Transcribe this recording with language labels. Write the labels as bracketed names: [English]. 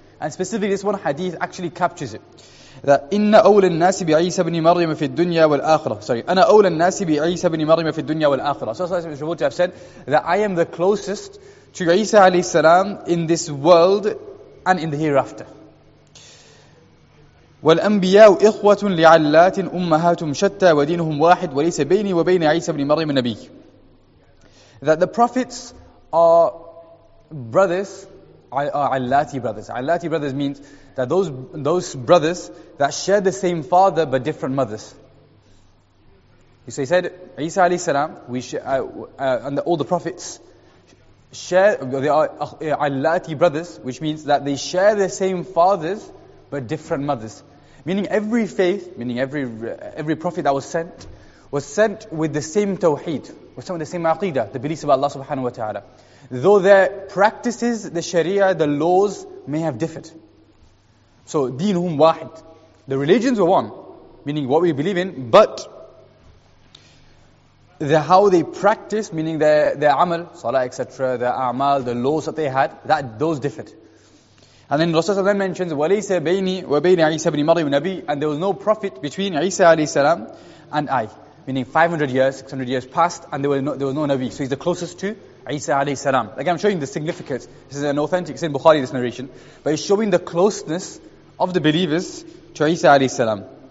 [English] And specifically, this one hadith actually captures it. That [Arabic] inna awla an-nasi bi-Isa ibn Maryam fi ad-dunya wal-akhirah. [English] Sorry, [Arabic] ana awla an-nasi bi-Isa ibn Maryam fi ad-dunya wal-akhirah. [English] So as Shabbat have said, that I am the closest to Isa alayhi salam in this world and in the hereafter. [Arabic] والأنبياء إخوة لعلات أمهاتهم شتى ودينهم واحد وليس بيني وبين عيسى بن مريم النبي. [English] That the prophets are brothers, are علاتي brothers. علاتي brothers means that those brothers that share the same father but different mothers. So he said, عيسى عليه السلام, all the prophets share, they are علاتي brothers, which means that they share the same fathers but different mothers. Meaning every faith, meaning every prophet that was sent with the same tawheed, was sent with the same aqidah, the beliefs of Allah subhanahu wa ta'ala. Though their practices, the sharia, the laws may have differed. So, [Arabic] deenhum wahid. [English] The religions were one, meaning what we believe in, but the how they practice, meaning their amal, salah, etc., their amal, the laws that they had, that those differed. And then Rasulullah then mentions, [Arabic] وَلَيْسَ بَيْنِي وَبَيْنِ عِيسَى بْنِ مَرْيَمُ نَبِيٍّ. [English] And there was no prophet between Isa alayhi salam and I. Meaning 500 years, 600 years passed, and there was no Nabi. So he's the closest to Isa alayhi salam. Again, I'm showing the significance. This is an authentic, it's in Bukhari, this narration. But it's showing the closeness of the believers to Isa alayhi salam.